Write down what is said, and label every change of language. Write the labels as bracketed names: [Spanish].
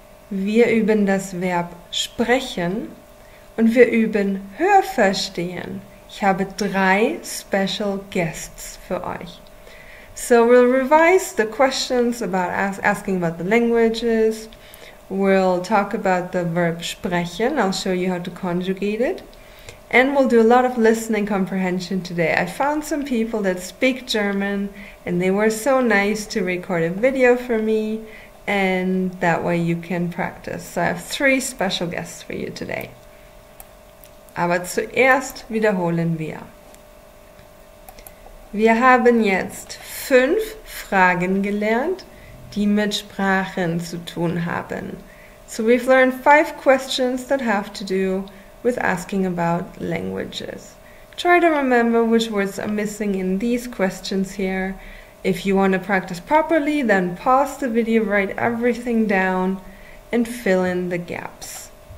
[German] Wir üben das Verb sprechen und wir üben Hörverstehen. Ich habe drei special guests für euch. [English] So we'll revise the questions about asking about the languages. We'll talk about the verb sprechen. I'll show you how to conjugate it. And we'll do a lot of listening comprehension today. I found some people that speak German and they were so nice to record a video for me. And that way you can practice. So I have three special guests for you today. [German] Aber zuerst wiederholen wir. Wir haben jetzt fünf Fragen gelernt, die mit Sprachen zu tun haben. [English] So we've learned five questions that have to do with asking about languages. Try to remember which words are missing in these questions here. If you want to practice properly, then pause the video, write everything down, and fill in the gaps.